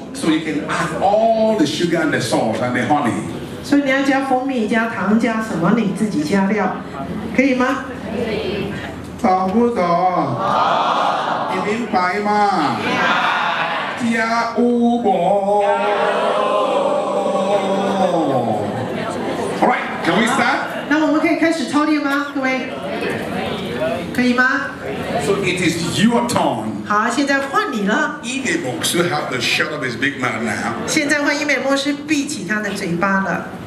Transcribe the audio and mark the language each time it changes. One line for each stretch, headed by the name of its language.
English: So you can add all the sugar and the salt and the honey
Chinese: 所以你要加蜂蜜加糖加什么你自己加料可以吗可以懂不懂好你明白吗明白加乌伯加乌伯
English: Alright, can we start?
Chinese: 那我们可以开始操练吗各位可以吗
English: So it is your turn.
Chinese: 好，现在换你了。
English: 伊美牧师 have the shut of his big mouth now.
Chinese: 现在换伊美牧师闭起他的嘴巴了。